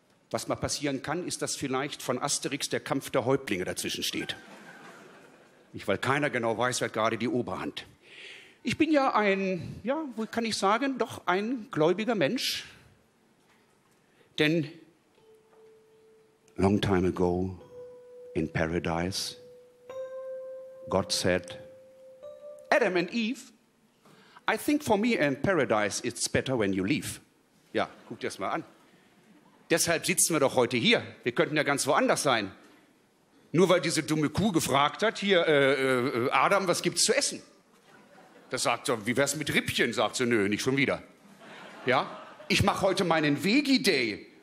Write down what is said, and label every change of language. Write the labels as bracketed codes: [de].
[de] Was mal passieren kann, ist, dass vielleicht von Asterix der Kampf der Häuptlinge dazwischen steht. Nicht, weil keiner genau weiß, wer gerade die Oberhand. Ich bin ja ein, ja, wie kann ich sagen, doch ein gläubiger Mensch. [en] Denn long time ago in paradise, God said, Adam and Eve, I think for me in paradise it's better when you leave. [de] Ja, guck dir das mal an. Deshalb sitzen wir doch heute hier. Wir könnten ja ganz woanders sein. Nur weil diese dumme Kuh gefragt hat, hier, Adam, was gibt's zu essen? Da sagt er, wie wär's mit Rippchen? Sagt sie, nö, nicht schon wieder. Ja, ich mache heute meinen Veggie-Day.